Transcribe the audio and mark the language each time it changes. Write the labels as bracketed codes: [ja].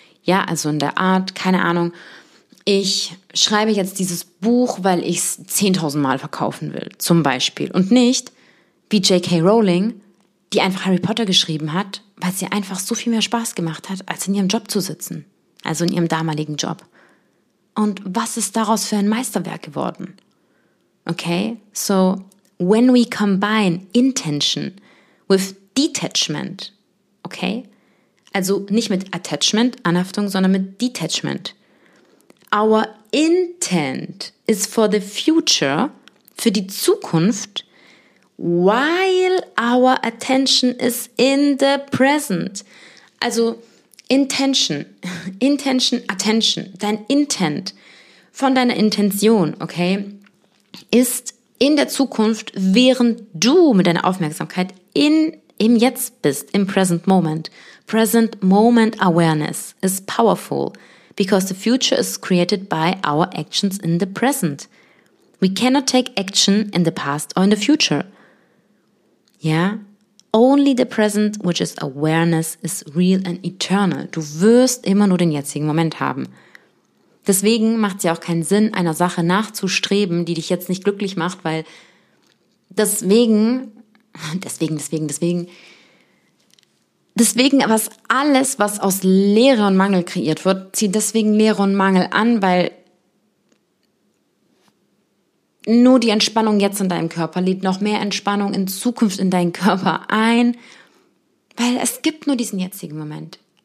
[de] Ja, also in der Art, keine Ahnung, ich schreibe jetzt dieses Buch, weil ich es 10.000 Mal verkaufen will, zum Beispiel. Und nicht wie J.K. Rowling, die einfach Harry Potter geschrieben hat, weil es ihr einfach so viel mehr Spaß gemacht hat, als in ihrem Job zu sitzen. Also in ihrem damaligen Job. Und was ist daraus für ein Meisterwerk geworden? [en] Okay, so when we combine intention with detachment, okay? [de] Also nicht mit Attachment, Anhaftung, sondern mit Detachment. [en] Our intent is for the future, [de] für die Zukunft, [en] while our attention is in the present. [de] Also Intention, Attention, dein Intent von deiner Intention, okay, ist in der Zukunft, während du mit deiner Aufmerksamkeit im Jetzt bist, im Present Moment. [en] Present Moment Awareness is powerful. Because the future is created by our actions in the present. We cannot take action in the past or in the future. Yeah? Only the present, which is awareness, is real and eternal. [de] Du wirst immer nur den jetzigen Moment haben. Deswegen macht es ja auch keinen Sinn, einer Sache nachzustreben, die dich jetzt nicht glücklich macht, weil deswegen, was alles, was aus Leere und Mangel kreiert wird, zieht deswegen Leere und Mangel an, weil nur die Entspannung jetzt in deinem Körper lädt noch mehr Entspannung in Zukunft in deinen Körper ein, weil es gibt nur diesen jetzigen Moment.